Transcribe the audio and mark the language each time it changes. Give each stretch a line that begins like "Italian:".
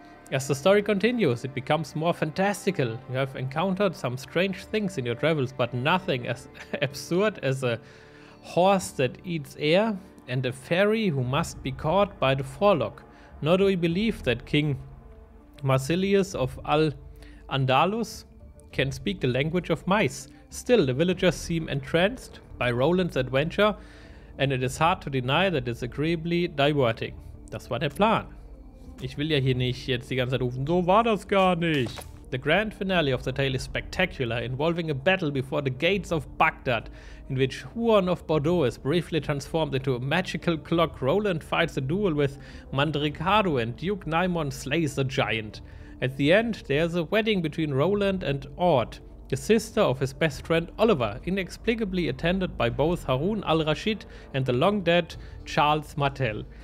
English: As the story continues, it becomes more fantastical. You have encountered some strange things in your travels, but nothing as absurd as a horse that eats air and a fairy who must be caught by the forelock. Nor do we believe that King Marsilius of Al-Andalus can speak the language of mice. Still, the villagers seem entranced by Roland's adventure, and it is hard to deny that it's agreeably diverting.
German: Das war der Plan. Ich will ja hier nicht jetzt die ganze Zeit rufen, so war das gar nicht.
English: The grand finale of the tale is spectacular, involving a battle before the gates of Baghdad, in which Huon of Bordeaux is briefly transformed into a magical clock. Roland fights a duel with Mandricardo and Duke Naimon slays the giant. At the end, there's a wedding between Roland and Ord, the sister of his best friend Oliver, inexplicably attended by both Harun al-Rashid and the long-dead Charles Martel.